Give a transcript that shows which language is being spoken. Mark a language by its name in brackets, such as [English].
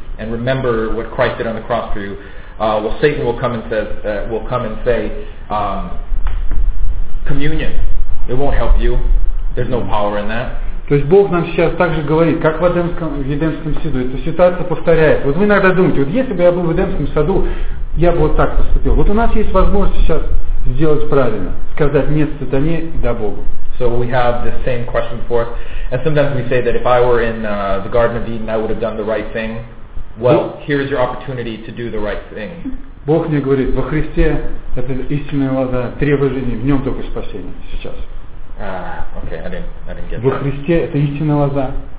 [English] And remember what Christ did on the cross for you. Well, Satan will come and say, communion. It won't help you. There's no power in that. [Russian] То есть Бог нам сейчас также говорит, как в Эдемском саду. Эта ситуация повторяется. Вот вы иногда думаете, вот если бы я был в Эдемском саду, я бы вот так поступил. Вот у нас есть возможность сейчас сделать правильно, сказать нет сатане, да Богу. [English] So we have the same question for us. And sometimes we say that if I were in the Garden of Eden, I would have done the right thing. Well, here is your opportunity to do the right thing. [Russian] Бог мне говорит, во Христе это истинная вода, древо жизни, в нем только спасение сейчас. [English] Okay, I didn't get that. [Russian] Во Христе это истинная вода.